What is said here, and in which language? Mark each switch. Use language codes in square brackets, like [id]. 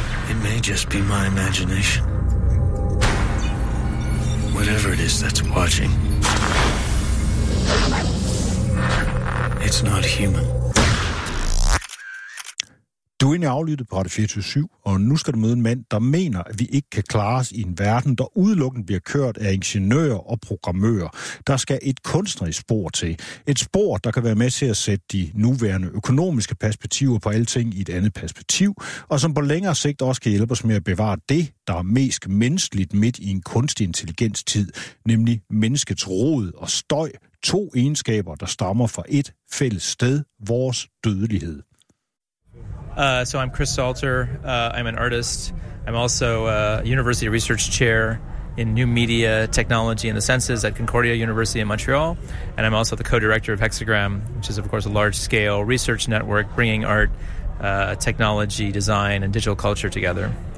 [en] It may just be my imagination. Whatever it is that's watching, it's not human. [da] Du er inde i aflyttet på Radio 24/7, og nu skal du møde en mand, der mener, at vi ikke kan klare os i en verden, der udelukkende bliver kørt af ingeniører og programmører. Der skal et kunstnerisk spor til. Et spor, der kan være med til at sætte de nuværende økonomiske perspektiver på alting i et andet perspektiv, og som på længere sigt også kan hjælpe os med at bevare det, der er mest menneskeligt midt i en kunstig intelligens tid, nemlig menneskets rod og støj, to egenskaber, der stammer fra et fælles sted, vores dødelighed. [en] So I'm Chris Salter. I'm an artist. I'm also a university research chair in new media technology and the senses at Concordia University in Montreal. And I'm also the co-director of Hexagram, which is, of course, a large-scale research network bringing art, technology, design, and digital culture together.